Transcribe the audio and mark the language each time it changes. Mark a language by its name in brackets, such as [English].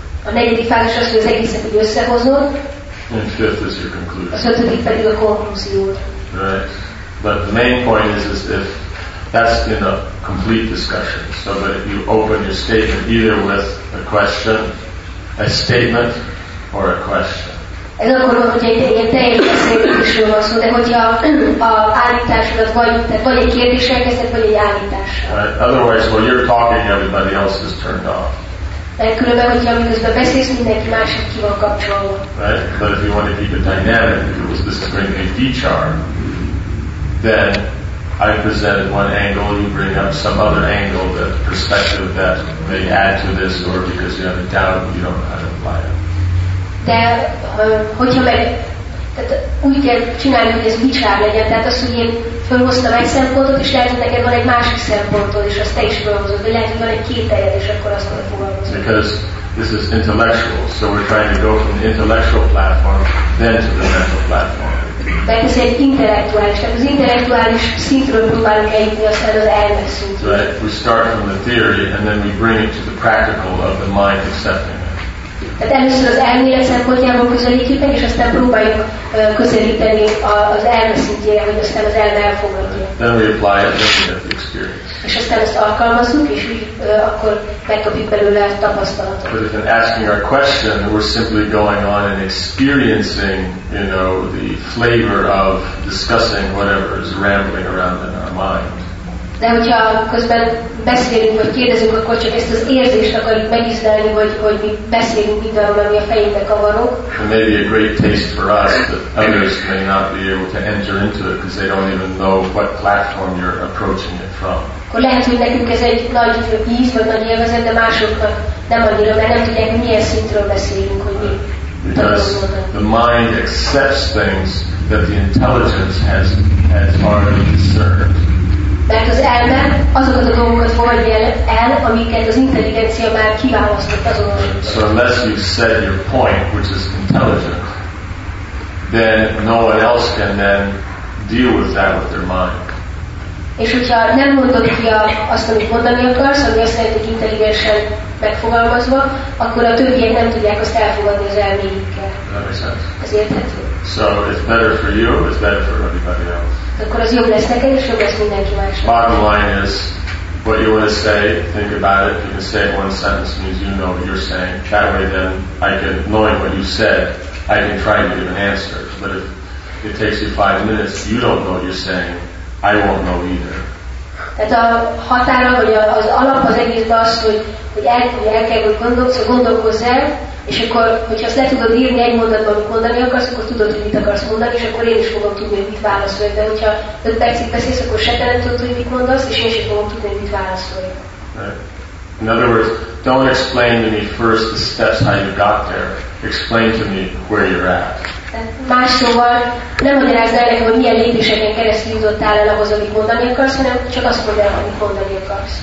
[Hungarian] A negyedik fázis az, hogy az egészet így összehozod. [English] And fifth is your conclusion. [Hungarian] A ötödik pedig a konklúziód. [English] Right. But the main point is if that's in a complete discussion. So that you open your statement either with a question, a statement or a question. [Hungarian] Ez akkor van, hogy egy teljes beszélgetésről van szó, de hogyha a állításodat vagy egy kérdéssel kezdett, vagy egy állítással. [English] Right. Otherwise, while you're talking, everybody else is turned off. [Hungarian] Mert különben, hogyha miközben beszélsz, mindenki másik ki van kapcsolva. [English] Right. But if you want to keep it dynamic, because this is bringing a feature, then I present one angle, you bring up some other angle, the perspective that may add to this, or because you have a doubt, you don't know how to apply it. [Hungarian] De hogyha meg, tehát úgy kell csinálni, hogy ez vicsár legyen, tehát az, hogy én fölhoztam egy szempontot, és lehet, hogy neked van egy másik szempontod, és azt te is fölhozod, vagy lehet, hogy van egy kételjed, és akkor azt kell fogalmazni. [English] Because this is intellectual, so we're trying to go from the intellectual platform, then to the mental platform. [Hungarian] Mert ez egy intellektuális, tehát az intellektuális szintről próbálunk eljutni, aztán az elme szintről. [English] Right, we start from the theory, and then we bring it to the practical of the mind accepting it. [Hungarian] Tehát először az elmélet szempontjából közelítjük meg, és aztán próbáljuk közelíteni az elme szintjére, hogy aztán az elme elfogadja. [English] Then we apply it, then we have the experience. [Hungarian] És aztán ezt alkalmazunk, és akkor megkapjuk belőle a tapasztalatot. [English] But if in asking our question, we're simply going on and experiencing, you know, the flavor of discussing whatever is rambling around in our mind. [Hungarian] De hogyha közben beszélünk, vagy kérdezünk, akkor csak ezt az érzést akarjuk megizlelni, hogy mi beszélünk mindenről, ami a fejünkbe kavarok. [English] It may be a great taste for us, but others may not be able to enter into it, because they don't even know what platform you're approaching it from. [Hungarian] Akkor lehet, hogy nekünk ez egy nagy íz, vagy nagy élvezet, de másoknak nem annyira, mert nem tudják, milyen szintről beszélünk, hogy mi. [English] Because the mind accepts things that the intelligence has already discerned. [Hungarian] Mert az elme azokat a dolgokat fogadja el, amiket az intelligencia már kiválasztott azonosított. [English] So unless you've said your point, which is intelligent, then no one else can then deal with that with their mind. [Hungarian] És hogyha nem mondod ki azt, amit mondani akarsz, ami azt jelenti, hogy intelligensen megfogalmazva, akkor a többiek nem tudják azt elfogadni az elméjükkel. Ez érthető. [English] So it's better for you, it's better for everybody else. [Hungarian] Akkor az jobb lesz neked, és jobb lesz mindenki másnak. [English] Bottom line is, what you want to say, think about it. You can say it one sentence, means you know what you're saying. That way, then I can, knowing what you said, I can try to give an answer. But if it takes you 5 minutes, you don't know what you're saying, I won't know either. [Hungarian] Tehát a határa, vagy az alap az egészben az, hogy gondolkozz el, és akkor, hogyha azt le tudod írni egy mondatban, amit mondani akarsz, akkor tudod, hogy mit akarsz mondani, és akkor én is fogom tudni, hogy mit válaszolj. De hogyha 5 percig beszélsz, akkor se te nem tudod, hogy mit mondasz, és én sem fogom tudni, hogy mit válaszolj. [English] Right. In other words, don't explain to me first the steps how you got there. Explain to me where you're at. [Hungarian] Más szóval, nem magyarázd el nekem, hogy milyen lépéseken keresztül jutottál el ahhoz, amit mondani akarsz, hanem csak azt mondd el, amit mondani akarsz.